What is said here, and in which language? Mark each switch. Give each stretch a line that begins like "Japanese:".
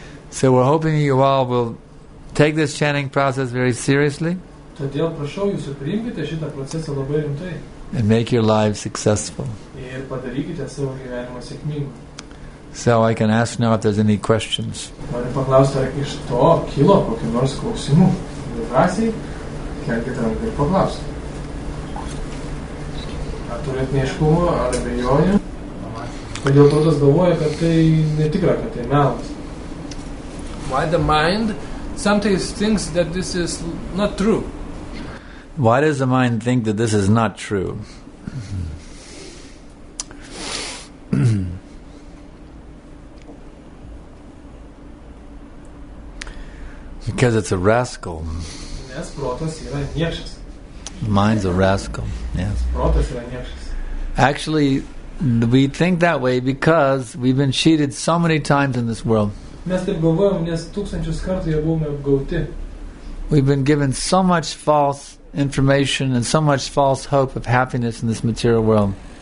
English: So we're hoping you all will take this chanting process very seriously.
Lithuanian: Todėl prašau jūsų priimkite šitą procesą labai rimtai.
English: And make your life successful.
Lithuanian: Ir padarykite savo gyvenimą sėkmingą.
English: So I can ask now if there's any questions.
Lithuanian: Noriu paklausti, ar iš to kilo kokių nors klausimų. Drąsiai, kelkite ranką ir paklausite. Ar turėt neaiškumą, ar abejonę? Kodėl protas galvoja, kad tai netikra, kad tai melas?
English: Why the mind sometimes thinks that this is not true? Why does the mind think that this is not true? Because it's a rascal.
Lithuanian: Yes, protas yra niekšas.
English: Mind's a rascal, yes.
Lithuanian: Protas yra niekšas.
English: Actually, we think that way because we've been cheated so many times in this world.
Lithuanian: Mes taip galvojom, nes tūkstančius kartų jau buvome apgauti.
English: We've been given so much false information and so much false hope of happiness in this material world.